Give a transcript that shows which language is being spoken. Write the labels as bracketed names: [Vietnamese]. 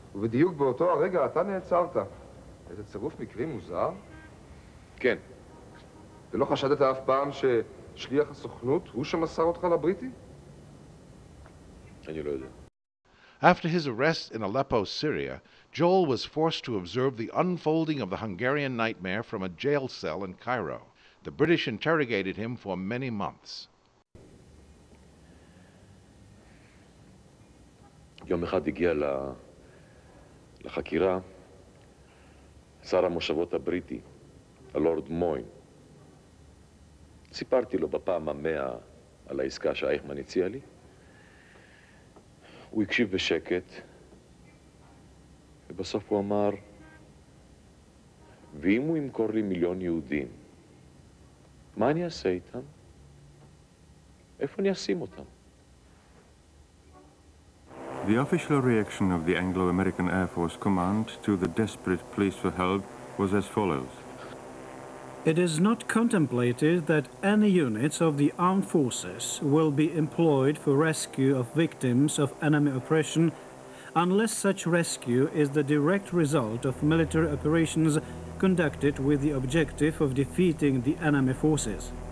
[Hebrew] ובדיוק באותו הרגע אתה נעצרת. איזה צירוף מקרים מוזר. כן. ולא חשדת אף פעם ששליח הסוכנות הוא שמסר אותך לבריטי? אני לא יודע. [English] After his arrest in Aleppo, Syria, Joel was forced to observe the unfolding of the Hungarian nightmare from a jail cell in Cairo. The British interrogated him for many months. [Hebrew] יום אחד הגיע לחקירה, שר המושבות הבריטי, הלורד מוין. סיפרתי לו בפעם המאה על העסקה שאייכמן הציע לי. הוא הקשיב בשקט, ובסוף הוא אמר, ואם הוא ימכור לי מיליון יהודים, מה אני אעשה איתם? איפה אני אשים אותם? [English] The official reaction of the Anglo-American Air Force Command to the desperate pleas for help was as follows. It is not contemplated that any units of the armed forces will be employed for rescue of victims of enemy oppression unless such rescue is the direct result of military operations conducted with the objective of defeating the enemy forces.